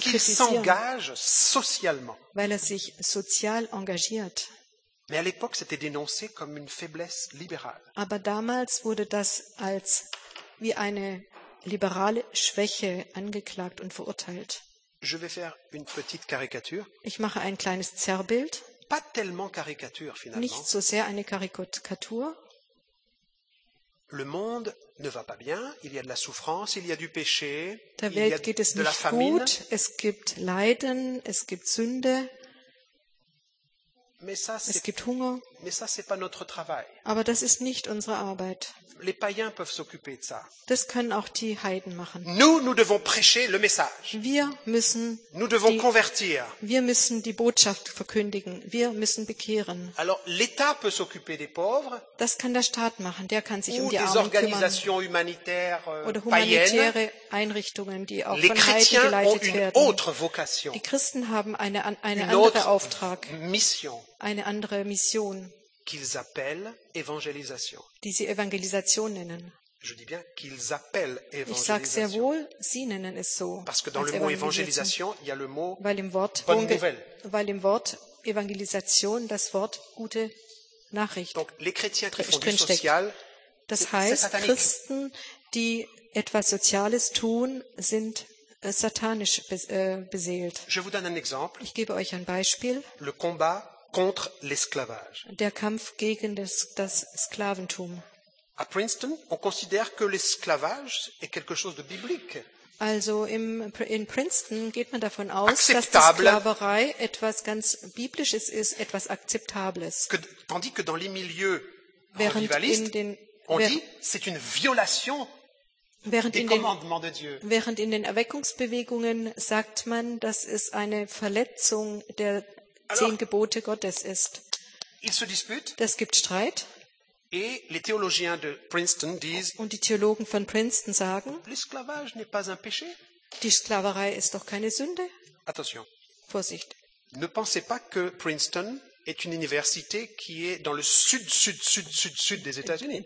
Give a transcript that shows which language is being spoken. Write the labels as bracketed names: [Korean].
[French] parce qu'il s'engage socialement. [German] Weil er sich sozial engagiert. [French] Mais à l'époque, c'était dénoncé comme une faiblesse libérale. [German] Aber damals wurde das als wie eine liberale Schwäche angeklagt und verurteilt. [French] Je vais faire une petite caricature. [German] Ich mache ein kleines Zerrbild. [French] Pas tellement caricature, finalement. [German] Nicht so sehr eine Karikatur. [French] Le monde ne va pas bien, il y a de la souffrance, il y a du péché, [German] der Welt geht es nicht gut, es gibt Leiden, es gibt Sünde, [French] mais ça, [German] es gibt Hunger, [French] mais ça, c'est pas notre travail. [German] Aber das ist nicht unsere Arbeit. [French] Les païens peuvent s'occuper de ça. [German] Das können auch die Heiden machen. [French] Nous devons prêcher le message. [German] Wir müssen die Botschaft verkündigen. Wir müssen bekehren. [French] Alors, l'État peut s'occuper des pauvres. [German] Das kann der Staat machen. Der kann sich um die Armen [French] organisations [German] kümmern. [French] Humanitaires, [German] oder humanitäre [French] païennes. [German] Einrichtungen, die auch [French] les [German] von Heiden geleitet [French] ont une [German] werden. [French] Autre vocation. [German] Die Christen haben eine andere [French] autre [German] Auftrag. [French] Mission. [German] Eine andere Mission. [French] Qu'ils appellent évangélisation. [German] Die sie Evangelisation nennen. [French] Je dis bien qu'ils appellent évangélisation. [German] Ich sage sehr wohl, sie nennen es so. [French] Parce que dans le mot évangélisation, il y a le mot bonne nouvelle. [German] Weil im Wort Evangelisation das Wort gute Nachricht. [French] Donc les chrétiens qui font du social, [German] das heißt, Christen, die etwas Soziales tun, sind satanisch beseelt. [French] Je vous donne un exemple. [German] Ich gebe euch ein Beispiel. [French] Le combat contre l'esclavage. [German] Der Kampf gegen das Sklaventum. [French] À Princeton, on considère que l'esclavage est quelque chose de biblique. [German] Also in Princeton geht man davon aus, acceptable. Dass die Sklaverei etwas ganz biblisches ist, etwas akzeptables. [French] Tandis que dans les milieux revivalistes, dit c'est une violation des commandements de Dieu. [German] Während in den Erweckungsbewegungen sagt man, dass es eine Verletzung der Zehn Gebote Gottes ist. Es gibt Streit. [French] Et les théologiens de Princeton disent, [German] und die Theologen von Princeton sagen, [French] l'esclavage n'est pas un péché. [German] Die Sklaverei ist doch keine Sünde. [French] Attention. [German] Vorsicht. [French] Ne pensez pas que Princeton est une université qui est dans le sud des États-Unis.